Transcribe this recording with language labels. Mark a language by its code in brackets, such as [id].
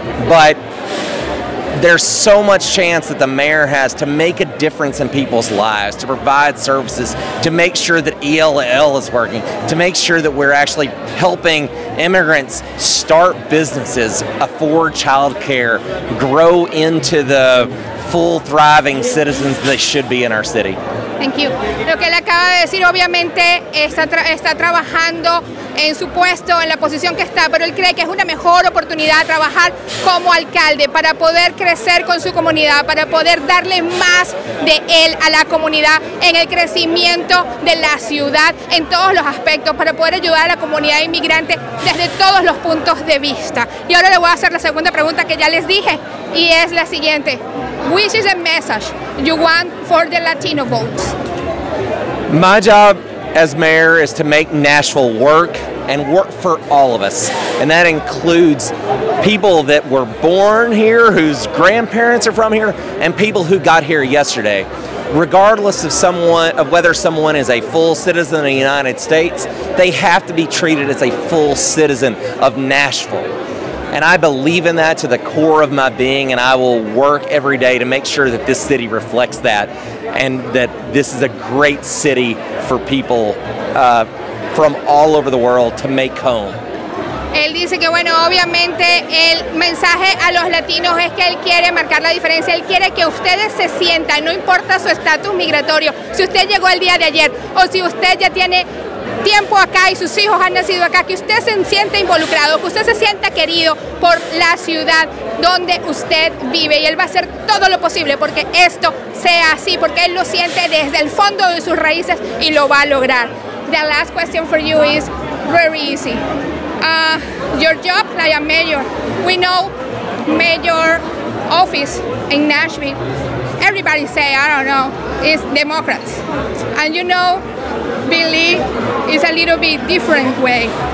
[en] But there's so much chance that the mayor has to make a difference in people's lives, to provide services, to make sure that ELL is working, to make sure that we're actually helping immigrants start businesses, afford childcare, grow into the full thriving citizens they should be in our city. Thank you. [es] Lo que él acaba de decir, obviamente, está trabajando en su puesto, en la posición que está, pero él cree que es una mejor oportunidad trabajar como alcalde para poder crecer con su comunidad, para poder darle más de él a la comunidad en el crecimiento de la ciudad, en todos los aspectos, para poder ayudar a la comunidad inmigrante desde todos los puntos de vista. Y ahora le voy a hacer la segunda pregunta que ya les dije, y es la siguiente. [en] Which is the message you want for the Latino votes? My job as mayor is to make Nashville work and work for all of us. And that includes people that were born here, whose grandparents are from here, and people who got here yesterday. Regardless of whether someone is a full citizen of the United States, they have to be treated as a full citizen of Nashville. And I believe in that to the core of my being, and I will work every day to make sure that this city reflects that and that this is a great city for people from all over the world to make home. [es] Él dice que, bueno, obviamente el mensaje a los latinos es que él quiere marcar la diferencia. Él quiere que ustedes se sientan, no importa su estatus migratorio, si usted llegó el día de ayer o si usted ya tiene tiempo acá y sus hijos han nacido acá, que usted se sienta involucrado, que usted se sienta querido por la ciudad donde usted vive. Y él va a hacer todo lo posible porque esto sea así, porque él lo siente desde el fondo de sus raíces y lo va a lograr. [en] The last question for you is very easy. Your job, like a mayor, we know mayor office in Nashville, everybody say, I don't know, is Democrats. And you know, Billy is a little bit different way.